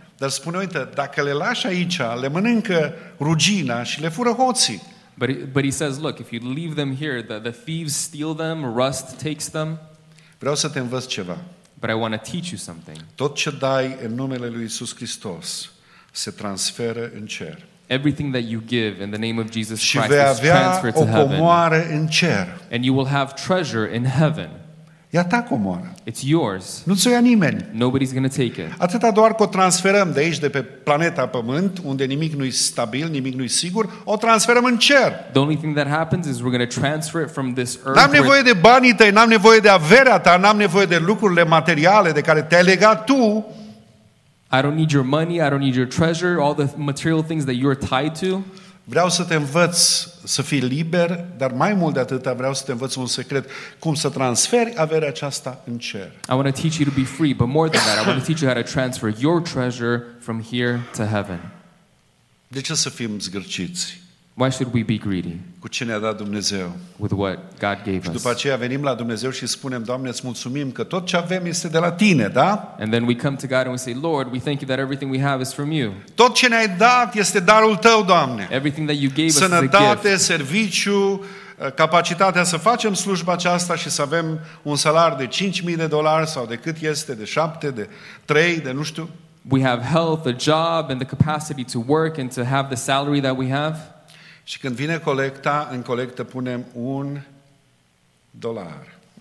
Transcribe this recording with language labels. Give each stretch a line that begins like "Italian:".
Romanian: Dar spune, uite, dacă le lași aici, le mănâncă rugina și le fură hoții.
English: But he says, look, if you leave them here, the thieves steal them, rust takes them.
Romanian: Vreau să te învăț ceva.
English: But I want to teach you something.
Romanian: Tot ce dai în numele lui Iisus Hristos se transferă în cer.
English: Everything that you give in the name of Jesus Christ
Romanian: și vei avea
English: is transferred to
Romanian: o comoară
English: heaven.
Romanian: În cer.
English: And you will have treasure in heaven.
Romanian: E a ta comoară.
English: It's yours.
Romanian: Nu ți-o ia nimeni.
English: Nobody's going to take it.
Romanian: Atâta doar că o transferăm de aici, de pe planeta Pământ, unde nimic nu-i stabil, nimic nu-i sigur, o transferăm în cer.
English: The only thing that happens is we're going to transfer it from this earth.
Romanian: N-am nevoie de banii tăi, n-am nevoie de averea ta, n-am nevoie de lucrurile materiale de care te-ai legat tu.
English: I don't need your money, I don't need your treasure, all the material things that you're tied to.
Romanian: Vreau să te învăț să fii liber, dar mai mult de atât, vreau să te învăț un secret, cum să transferi averea aceasta în cer.
English: I want to teach you to be free, but more than that, I want to teach you how to transfer your treasure from here to heaven.
Romanian: De ce să fim zgârciți?
English: Why should we be greedy?
Romanian: Cu ce ne-a dat Dumnezeu?
English: With what God gave us.
Romanian: Și după aceea venim la Dumnezeu și spunem, Doamne, îți mulțumim că tot ce avem este de la tine, da?
English: And then we come to God and we say, Lord, we thank you that everything we have is from you.
Romanian: Tot ce ne-ai dat este darul tău, Doamne.
English: Everything that you gave us is a gift.
Romanian: Sănătate, serviciu, capacitatea să facem slujba aceasta și să avem un salar de 5.000 de dolari sau de cât este, de 7, de 3, de nu știu.
English: We have health, a job and the capacity to work and to have the salary that we have.
Romanian: Și când vine colecta, în colectă punem un dolar.